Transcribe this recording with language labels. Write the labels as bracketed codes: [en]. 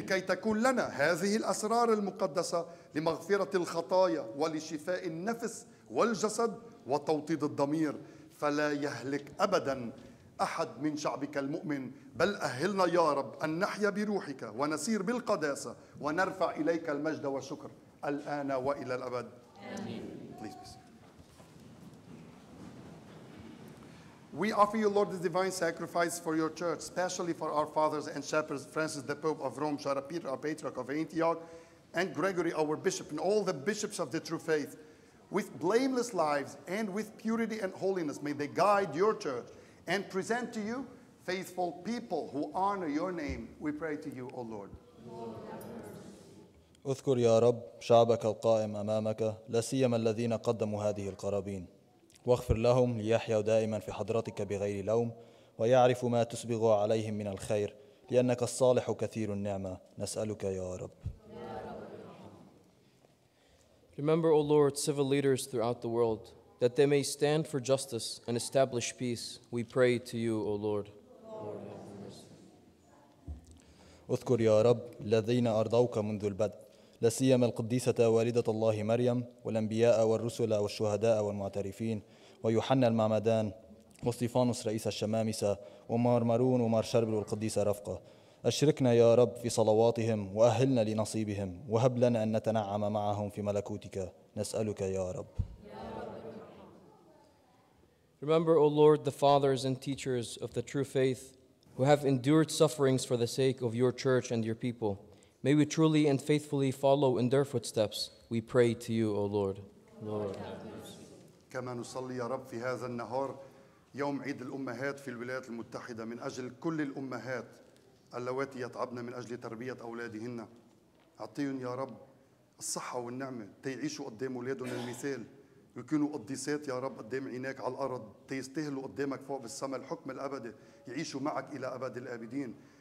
[ar] لكي تكون لنا هذه الأسرار المقدسة لمغفرة الخطايا ولشفاء النفس والجسد وتوطيد الضمير فلا يهلك أبدا أحد من شعبك المؤمن بل أهلنا يا رب أن نحيا بروحك ونسير بالقداسة ونرفع إليك المجد والشكر الآن وإلى الأبد آمين. [en] We offer you, Lord, the divine sacrifice for your church, especially for our fathers and shepherds, Francis the Pope of Rome, Shara Peter, our Patriarch of Antioch, and Gregory, our bishop, and all the bishops of the true faith. With blameless lives and with purity and holiness, may they guide your church and present to you faithful people who honor your name. We pray to you, O Lord. [ar] اذكر يا رب شعبك القائم أمامك لا سيما الذين قدموا هذه القرابين. واغفر لهم ليحيوا دائما في حضرتك بغير لوم ويعرفوا ما تسبغ عليهم من الخير لأنك الصالح كثير النعمة نسألك يا رب [en] Remember, O Lord, civil leaders throughout the world that they may stand for justice and establish peace. We pray to you, O Lord. [ar] اذكر يا رب الذين أرضوك منذ البدء لا سيما القديسة والدة الله مريم والأنبياء والرسل والشهداء والمعترفين ويوحنا المعمدان واستيفانوس رئيس الشمامسة ومارمرون ومارشربل والقديسة رفقة أشركنا يا رب في صلواتهم وأهلنا لنصيبهم وهب لنا أن نتنعم معهم في ملكوتك نسألك يا رب [en] Remember, O Lord, the fathers and teachers of the true faith who have endured sufferings for the sake of your church and your people. May we truly and faithfully follow in their footsteps. We pray to you, O Lord. Lord, have mercy. [ar] كما نصلي يا رب في هذا النهار يوم عيد الأمهات في الولايات المتحدة من أجل كل الأمهات اللواتي يتعبن من أجل تربية أولادهن. أعطيهن يا رب الصحة والنعمة تيعيشوا قدام أولادهم المثال ويكونوا قديسات يا رب قدام عيناك على الأرض تيستهلوا قدامك فوق بالسماء الحكم الأبدي يعيشوا معك إلى أبد الآبدين.